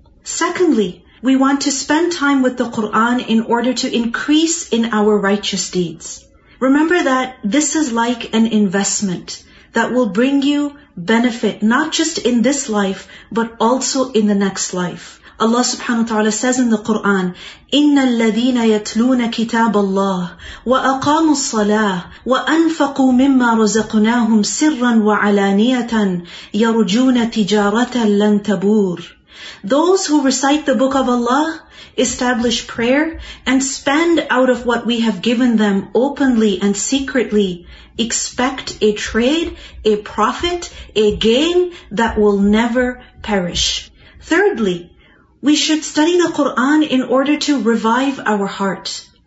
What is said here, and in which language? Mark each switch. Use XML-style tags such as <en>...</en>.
<en>Secondly, we want to spend time with the Qur'an in order to increase in our righteous deeds. Remember that this is like an investment that will bring you benefit, not just in this life, but also in the next life.</en> <ar>Allah subhanahu wa ta'ala</ar> <en>says in the Qur'an,</en> <ar>إِنَّ الَّذِينَ يَتْلُونَ كِتَابَ اللَّهِ وَأَقَامُوا الصَّلَاةِ وَأَنفَقُوا مِمَّا رَزَقْنَاهُمْ سِرًّا وَعَلَانِيَةً يَرُجُونَ تِجَارَةً لَن تَبُورِ.</ar> <en>Those who recite the book of Allah, establish prayer, and spend out of what we have given them openly and secretly, expect a trade, a profit, a gain that will never perish. Thirdly, we should study the Qur'an in order to revive our heart.</en>